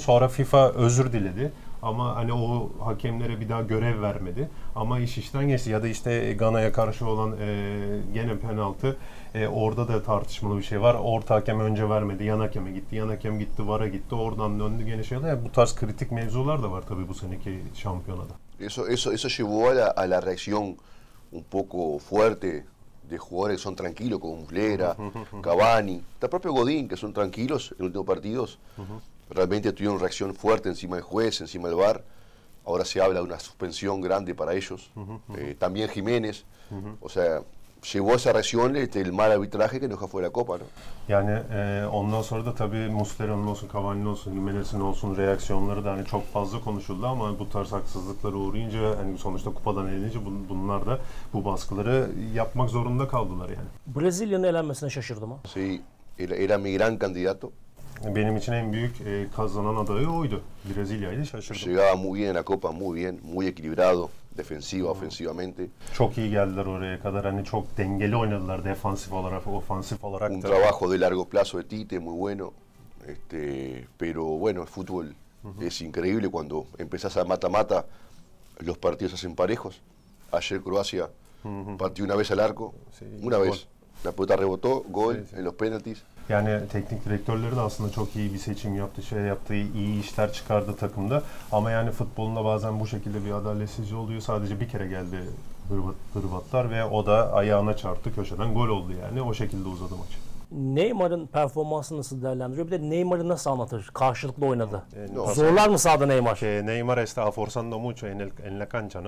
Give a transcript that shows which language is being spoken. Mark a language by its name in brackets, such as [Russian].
[Turkish] Sonra FIFA özür diledi. Ama hani o hakemlere bir daha görev vermedi. Ama iş işten geçti. Ya da işte Gana'ya karşı olan gene penaltı. Orada da tartışmalı bir şey var. Orta hakem önce vermedi. Yan hakeme gitti. Yan hakem gitti. VAR'a gitti. Oradan döndü gene şey oldu. Yani bu tarz kritik mevzular da var tabii bu seneki şampiyonada. [Spanish] Eso llevó a la reacción un poco fuerte de jugadores que son tranquilos, como Muslera, Cavani, hasta propio Godín, que son tranquilos en los últimos partidos. Realmente tuvieron reacción fuerte encima del juez, encima del VAR. Ahora se habla de una suspensión grande para ellos. También Jiménez. O sea, llevó esa reacción el mal arbitraje que nos dejó fuera de la Copa, ¿no? [Turkish] Yani ondan sonra da tabii Muslera'nın olsun, Cavani'nin olsun, Jiménez'in olsun reaksiyonları da hani çok fazla konuşuldu ama bu tarz haksızlıklara uğrayınca, hani sonuçta kupadan elenince bunlar da bu baskıları yapmak zorunda kaldılar yani. Brezilya'nın elenmesine şaşırdım ha. [Spanish] Sí, era mi gran candidato. [Turkish] Benim için en büyük kazanan adayı oydu. Brezilya'ydı, şaşırdım. [Spanish] Llegaba muy bien la Copa, muy bien, muy equilibrado. Defensivo, ofensivamente. [Turkish] Çok iyi geldiler oraya kadar. Hani çok dengeli oynadılar defansif olarak, ofansif olarak. [Spanish] Un trabajo de largo plazo de Tite, muy bueno. Pero bueno, el fútbol es increíble. Cuando empezás a mata-mata, los partidos hacen parejos. Ayer Croacia partió una vez al arco, una vez. La pelota rebotó, gol en los penaltis. [Turkish] Yani teknik direktörleri de aslında çok iyi bir seçim yaptı, iyi işler çıkardı takımda. Ama yani futbolunda bazen bu şekilde bir adaletsizce oluyor. Sadece bir kere geldi Hırvatlar ve o da ayağına çarptı, köşeden gol oldu yani. O şekilde uzadı maç. Neymar'ın performansını nasıl değerlendiriyor? Bir de Neymar'ı nasıl anlatır? Karşılıklı oynadı. Zorlar mı sahada Neymar? [Spanish] Neymar está forzando mucho en la cancha, ¿no?